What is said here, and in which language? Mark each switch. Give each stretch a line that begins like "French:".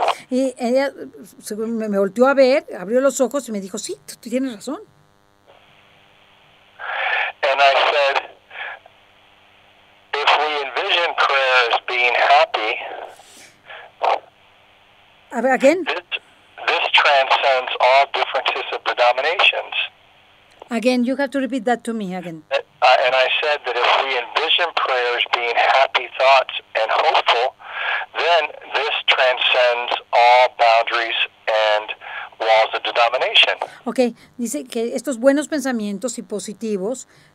Spanish: Y ella me volteó a ver, abrió los ojos y me dijo, sí, tú tienes razón.
English: And I said, if we envision prayer as being happy, again? This transcends all differences of denominations. Again, you have to repeat that to me again. And I said that if we envision prayer as being happy thoughts and hopeful, then this transcends all boundaries and walls of denomination.
Spanish: Okay, dice que estos buenos pensamientos y positivos.